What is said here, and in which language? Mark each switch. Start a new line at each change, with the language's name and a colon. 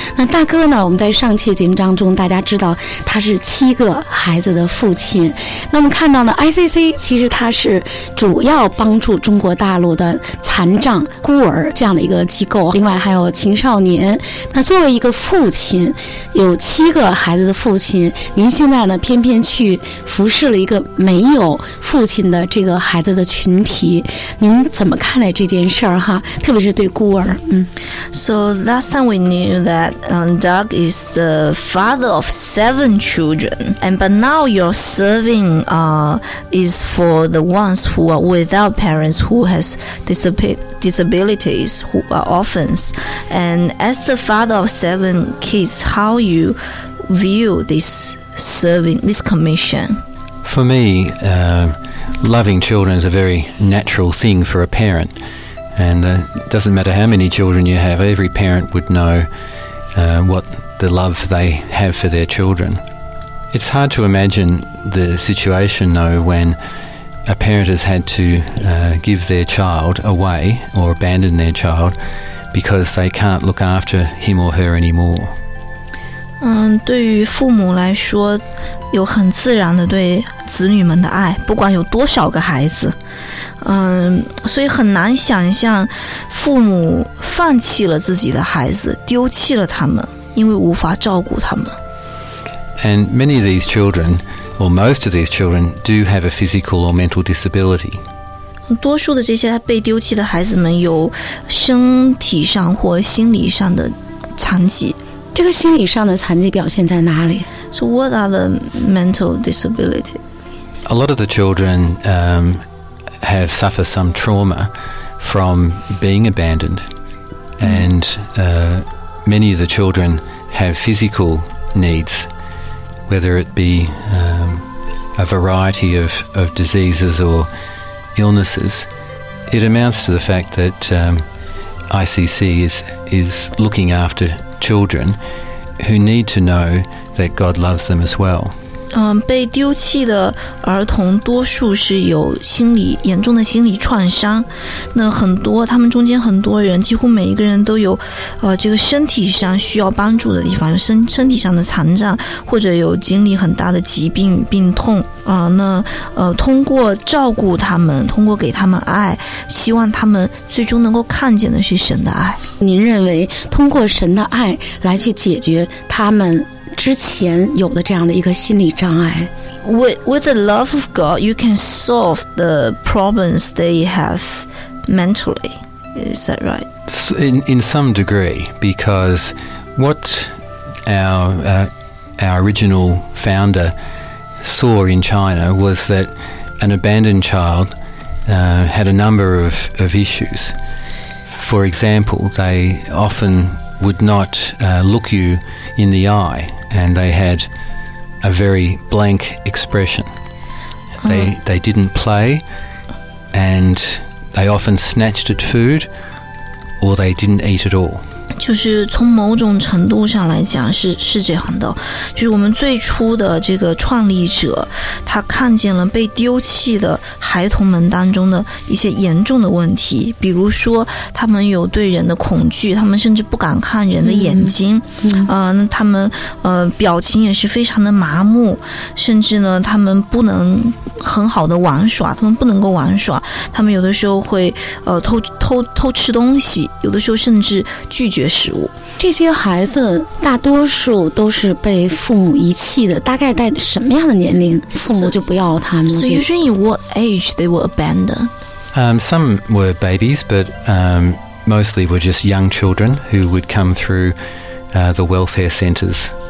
Chinese: 那大哥呢，我们在上期节目当中大家知道他是7个孩子的父亲，那我们看到呢 ICC 其实他是主要帮助中国大陆的残障孤儿这样的一个机构，另外还有青少年。那作为一个父亲，有7个孩子的父亲，您现在呢偏偏去服侍了一个没有父亲的这个孩子的群体，您怎么看待这件事儿哈？特别是对孤儿。
English: So last time we knew that Doug is the father of 7 children, and but now your serving is for the ones who are without parents, who has disabilities, who are orphans. And as the father of 7 kids, how you view this serving, this commission? For me, loving children is a very natural thing for a parent. And it doesn't matter how many children you have, every parent would know what the love they have for their children. It's hard to imagine the situation, though, when a parent has had to give their child away or abandon their child because they can't look after him or her anymore.
Chinese: 对于父母来说，有很自然的对子女们的爱，不管有多少个孩子。所以很难想象父母放弃了自己的孩子，丢弃了他们，因为无法照顾他们。
English: And many of these children, or most of these children, do have a physical or mental disability.
Chinese: 多数的这些被丢弃的孩子们有身体上或心理上的残疾。这个心理上的残疾表现在哪里？
English: So what are the mental disability? A lot of the children have suffered some trauma from being abandoned. And many of the children have physical needs, whether it be a variety of diseases or illnesses. It amounts to the fact that ICC is looking afterchildren who need to know that God loves them as well.
Chinese: 被丢弃的儿童多数是有心理严重的心理创伤，那很多他们中间很多人几乎每一个人都有这个身体上需要帮助的地方，身体上的残障或者有经历很大的疾病与病痛。通过照顾他们，通过给他们爱，希望他们最终能够看见的是神的爱。您认为通过神的爱来去解决他们之前有的这样的一个心理障碍？
English: With the love of God, you can solve the problems they have mentally. Is that right? In some degree, because what our original founder saw in China was that an abandoned child had a number of issues. For example, they often would not look you in the eye, and they had a very blank expression. They didn't play, and they often snatched at food, or they didn't eat at all.
Chinese: 就是从某种程度上来讲是这样的，就是我们最初的这个创立者，他看见了被丢弃的孩童们当中的一些严重的问题，比如说他们有对人的恐惧，他们甚至不敢看人的眼睛，他们表情也是非常的麻木，甚至呢他们不能很好的玩耍，他们不能够玩耍，他们有的时候会偷吃东西，有的时候甚至拒绝食物。这些孩子大多数都是被父母遗弃的，大概在什么样的年龄父母就不要他们？
English: So usually in what age they were abandoned? Some were babies, but mostly were just young children who would come through the welfare centers.